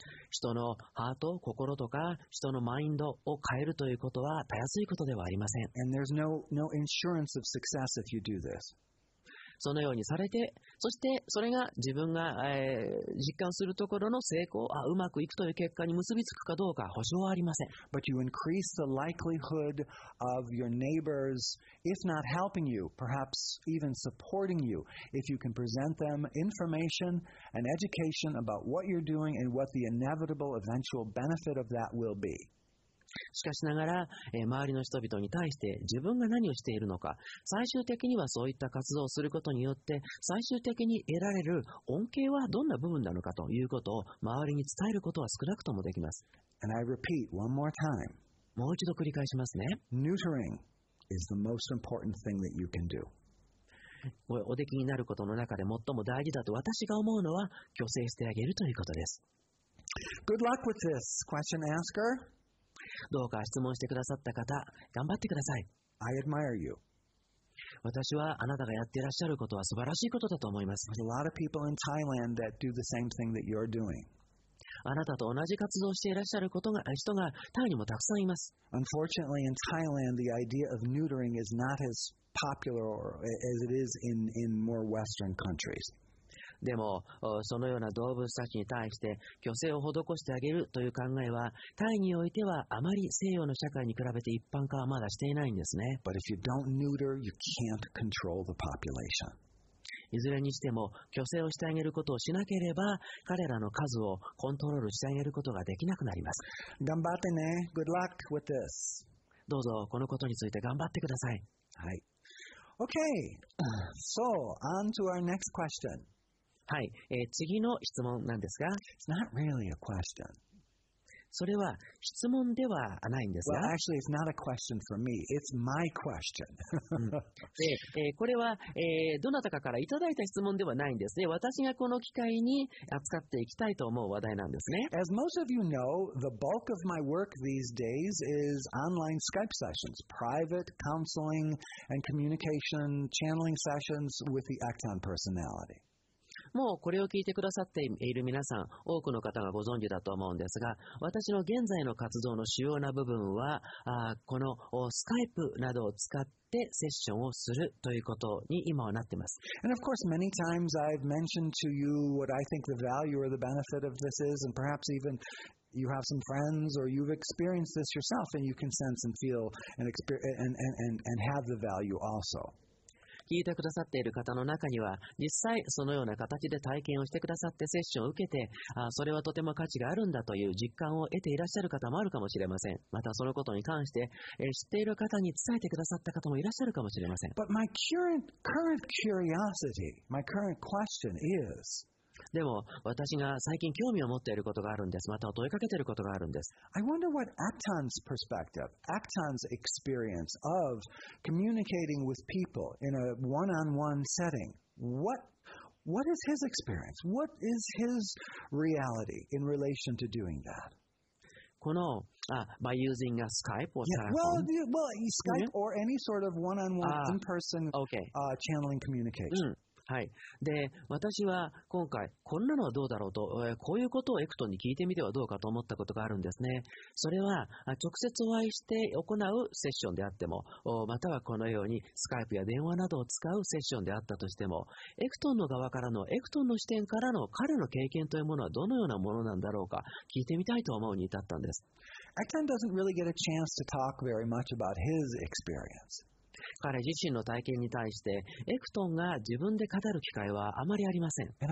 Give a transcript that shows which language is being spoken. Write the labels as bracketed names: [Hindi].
[Japanese] 人のハート、心とか人のマインドを変えるということはたやすいことではありません。 [English] And there's no insurance of success if you do this. [Japanese] そのようにされて、そしてそれが自分が、実感するところの成功、うまくいくという結果に結びつくかどうか保証はありません。 [English] But you increase the likelihood of your neighbors, if not helping you, perhaps even supporting you, if you can present them information and education about what you're doing and what the inevitable eventual benefit of that will be. [Japanese] しかしながら、周りの人々に対して自分が何をしているのか、最終的にはそういった活動をすることによって最終的に得られる恩恵はどんな部分なのかということを周りに伝えることは少なくともできます。 [English] And I repeat one more time. [Japanese] もう一度繰り返しますね。 [English] Neutering is the most important thing that you can do. [Japanese] おできになることの中で最も大事だと私が思うのは、去勢してあげるということです。 [English] Good luck with this, question asker. [Japanese] どうか質問してくださった方、頑張ってください。 [English] I admire you. [Japanese] 私はあなたがやっていらっしゃることは素晴らしいことだと思います。 [English] There's a lot of people in Thailand that do the same thing that you're doing. [Japanese] あなたと同じ活動をしていらっしゃることが人がタイにもたくさんいます。 [English] Unfortunately, in Thailand, the idea of neutering is not as popular as it is in more Western countries. [Japanese] でも、そのような動物たちに対して虚勢を施してあげるという考えは、タイにおいてはあまり西洋の社会に比べて一般化はまだしていないんですね。 [English] But if you don't neuter, you can't control the population. [Japanese] いずれにしても、虚勢をしてあげることをしなければ、彼らの数をコントロールしてあげることができなくなります。頑張ってね。 [English] Good luck with this. [Japanese] どうぞ、このことについて頑張ってください。 [English] はい。Okay. So, on to our next question. [Japanese] はい、次の質問なんですが。 [English] It's not really a question. [Japanese] それは質問ではないんですが。 [English] Well, actually, it's not a question for me. It's my question. [Japanese] これは、どなたかからいただいた質問ではないんですね。私がこの機会に扱っていきたいと思う話題なんですね。 [English] As most of you know, the bulk of my work these days is online Skype sessions, private counseling and communication channeling sessions with the Acton personality. [Japanese] もうこれを聞いてくださっている皆さん、多くの方がご存知だと思うんですが、私の現在の活動の主要な部分は、このスカイプなどを使ってセッションをするということに今はなっています。 [English] And of course, many times I've mentioned to you what I think the value or the benefit of this is, and perhaps even you have some friends or you've experienced this yourself, and you can sense and feel and experience and have the value also. [Japanese] 聞いてくださっている方の中には、実際そのような形で体験をしてくださってセッションを受けて、それはとても価値があるんだという実感を得ていらっしゃる方もあるかもしれません。またそのことに関して、知っている方に伝えてくださった方もいらっしゃるかもしれません。 [English] But my current curiosity, my current question is... [Japanese] でも私が最近興味を持っていることがあるんです。または問いかけていることがあるんです。 [English] I wonder what Acton's perspective, Acton's experience of communicating with people in a one-on-one setting, what is his experience? What is his reality in relation to doing that? [Japanese] この、 [English] by using a Skype or telephone? Well, Skype or any sort of one-on-one, in-person, channeling communication. [Japanese] はい、で私は今回こんなのはどうだろうと、こういうことをエクトンに聞いてみてはどうかと思ったことがあるんですね。それは直接お会いして行うセッションであっても、またはこのようにスカイプや電話などを使うセッションであったとしても、エクトンの側からの、エクトンの視点からの彼の経験というものはどのようなものなんだろうか聞いてみたいと思うに至ったんです。 [English] エクトン doesn't really get a chance to talk very much about his experience. [Japanese] 彼自身の体験に対してエクトンが自分で語る機会はあまりありません。